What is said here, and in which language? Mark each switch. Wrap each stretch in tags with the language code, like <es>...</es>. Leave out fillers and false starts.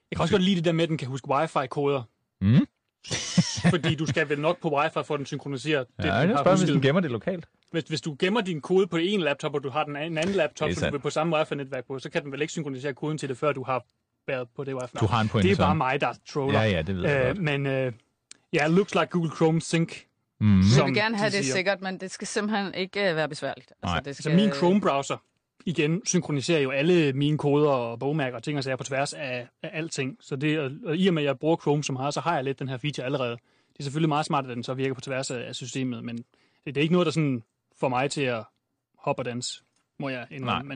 <da>Jeg kan også godt lide det der med, at den kan huske wifi-koder. Mm. Fordi du skal vel nok på wifi for at den synkroniserer. Ja, det, jeg spørger, hvis den gemmer det lokalt. Hvis du gemmer din kode på en laptop, og du har den anden laptop, som du vil på samme wifi-netværk på, så kan den vel ikke synkronisere koden til det, før du har været på det wifi. Du har en pointe. Det er bare mig, der troller. Ja, ja, det ved jeg godt. Men ja,</da> <en>yeah, looks like Google Chrome Sync.</en> <da>Mm. Som jeg vil gerne have det sikkert, men det skal simpelthen ikke være besværligt. Nej. Altså, det skal... Så min Chrome-browser, igen, synkroniserer jo alle mine koder og bogmærker og ting og sager på tværs af alting. Så det, og i og med, at jeg bruger Chrome så meget, så har jeg lidt den her feature allerede. Det er selvfølgelig meget smart, at den så virker på tværs af systemet, men det er ikke noget, der sådan får mig til at hoppe og danse, må jeg indrømme.</da>